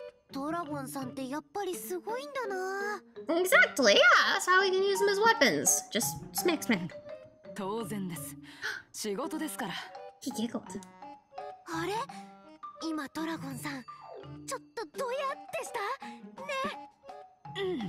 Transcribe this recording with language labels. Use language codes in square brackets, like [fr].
[ja] ドラゴンさんってやっぱりすごいんだな。 [en] Exactly, yeah, that's how we can use them as weapons. Just smack smack. [ja] 当然です。仕事ですから。 [en] He giggled. [ja] あれ? 今ドラゴンさん、 ちょっとどやってした?